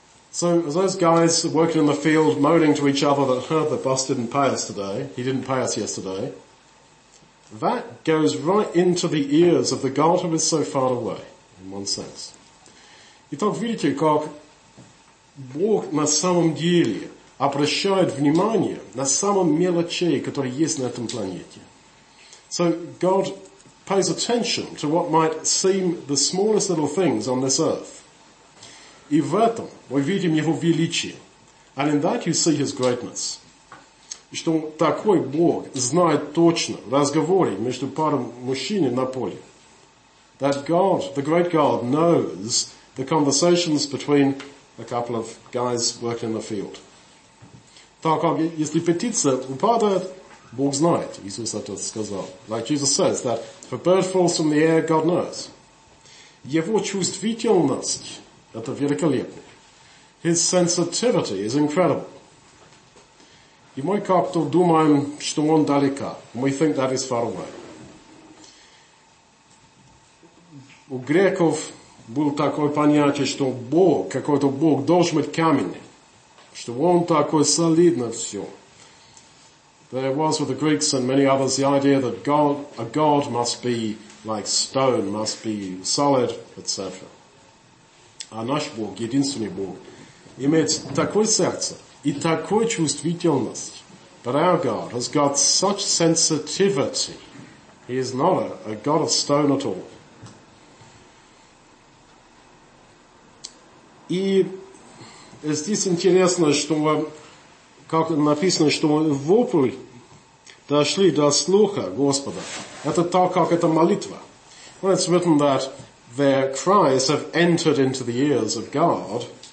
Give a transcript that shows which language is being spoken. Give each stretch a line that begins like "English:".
English: So those guys working in the field moaning to each other that the boss didn't pay us today, he didn't pay us yesterday, that goes right into the ears of the God who is so far away, in one sense.
Russian: Итак, видите, как Бог на самом деле обращает внимание на самом мелочи, которые есть на этом планете.
English: So God pays attention to what might seem the smallest little things on this earth.
Russian: И в этом мы видим Его величие.
English: And in that you see His greatness.
Russian: И что такой Бог знает точно разговоре между парой мужчин на поле.
English: That God, the great God, knows the conversations between a couple of guys working in the field.
Russian: Так как если птица упадает, Бог знает, Иисус это сказал.
English: Like Jesus says, that if a bird falls from the air, God knows.
Russian: Его чувствительность это великолепно.
English: His sensitivity is incredible.
Russian: И мы как-то думаем, что он далеко.
English: We think that is far away.
Russian: У греков было такое понятие, что Бог, какой-то Бог, должен быть каменный. Что он такой солидный все.
English: There was with the Greeks and many others the idea that God, a God must be like stone, must be solid, etc.
Russian: А наш Бог, единственный Бог, имеет такое сердце и такую чувствительность.
English: But our God has got such sensitivity. He is not a God of stone at all.
Russian: И здесь интересно, что как написано, что вопль дошли до слуха Господа. Это так, как это молитва.
English: Well, it's written that their cries have entered into the ears of God.